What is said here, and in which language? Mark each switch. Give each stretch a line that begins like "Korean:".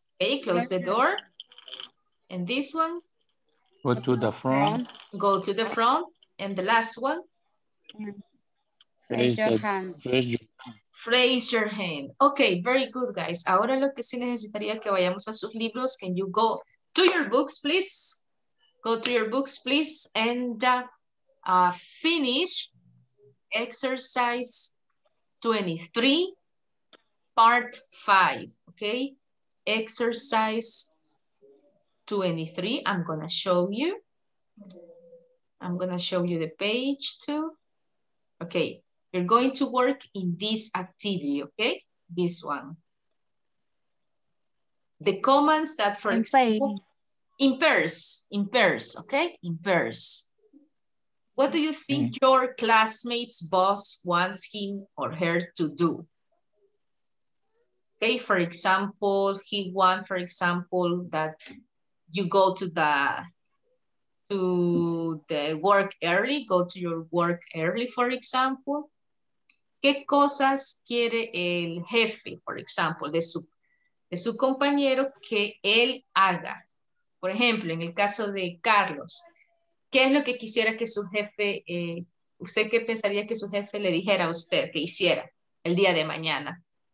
English: Okay, close the door. And this one? Go to the front. And the last one? Raise your hand. Okay, very good, guys.
Spanish: Ahora lo que sí necesitaría que vayamos a sus libros.
English: Can you go to your books, please? Go to your books, please, and finish exercise 23, part 5, okay? Exercise 23, I'm gonna show you. I'm gonna show you the page too. Okay, you're going to work in this activity, okay? This one. The commands that for example, In pairs, okay? In pairs. What do you think your classmate's boss wants him or her to do? Okay, for example, he wants, for example, that you go to the work early, go to your work early, for example.
Spanish: ¿Qué cosas quiere el jefe,
English: for example,
Spanish: de su compañero que él haga? Por ejemplo, en el caso de Carlos, ¿qué es lo que quisiera que su jefe, usted qué pensaría que su jefe le dijera a usted que hiciera el día de mañana?